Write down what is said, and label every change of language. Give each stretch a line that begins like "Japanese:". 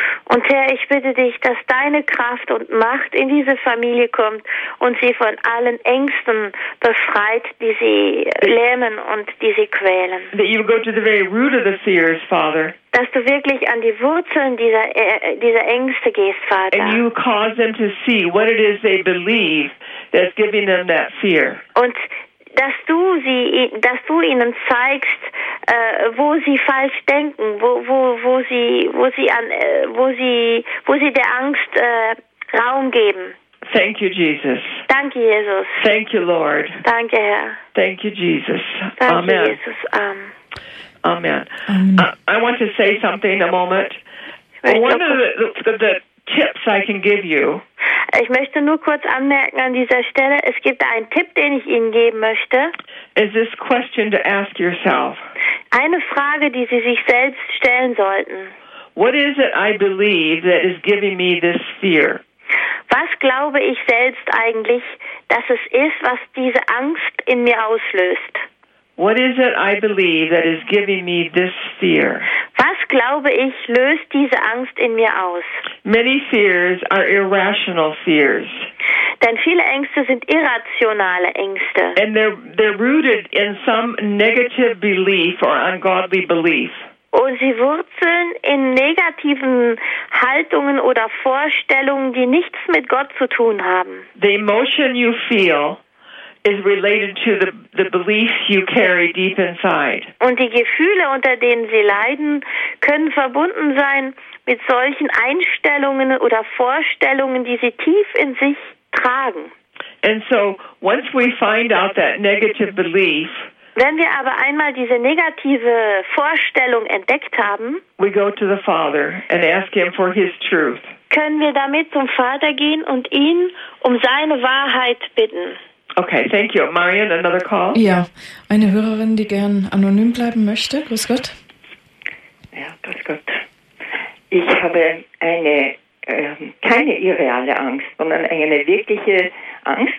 German: Und Herr, ich bitte dich, dass deine Kraft und Macht in diese Familie kommt und sie von allen Ängsten befreit, die sie lähmen und die sie quälen.
English: That you go to the very root of the fears, Father.
German: Dass du wirklich an die Wurzeln dieser Ängste gehst, Vater.
English: And you cause them to see what it is they believe that's giving them that fear.
German: Und dass du ihnen zeigst, wo sie falsch denken, wo sie der Angst Raum geben.
English: Thank you, Jesus.
German: Danke, Jesus.
English: Thank you, Lord.
German: Danke, Herr.
English: Thank you, Jesus.
German: Danke, Amen. Jesus. Amen.
English: Amen. I want to say something in a moment. One of the tips I can give you.
German: Ich möchte nur kurz anmerken an dieser Stelle, es gibt einen Tipp, den ich Ihnen geben möchte.
English: Is this question to ask yourself?
German: Eine Frage, die Sie sich selbst stellen sollten.
English: What is it I believe that is giving me this fear?
German: Was glaube ich selbst eigentlich, dass es ist, was diese Angst in mir auslöst?
English: What is it I believe that is giving me this fear?
German: Was glaube ich löst diese Angst in mir aus?
English: Many fears are irrational fears.
German: Denn viele Ängste sind irrationale Ängste.
English: And they're rooted in some negative belief or ungodly belief.
German: Und sie wurzeln in negativen Haltungen oder Vorstellungen, die nichts mit Gott zu tun haben.
English: The emotion you feel is related to the beliefs you carry deep inside.
German: Und die Gefühle, unter denen sie leiden, können verbunden sein mit solchen Einstellungen oder Vorstellungen, die sie tief in sich tragen.
English: And so, once we find out that negative belief,
German: wenn wir aber einmal diese negative Vorstellung entdeckt haben,
English: we go to the Father and ask him for his truth.
German: Können wir damit zum Vater gehen und ihn um seine Wahrheit bitten.
English: Okay, thank you. Marion, another call?
German: Ja, eine Hörerin, die gern anonym bleiben möchte. Grüß Gott. Ja, grüß Gott. Ich habe eine, keine irreale Angst, sondern eine wirkliche Angst.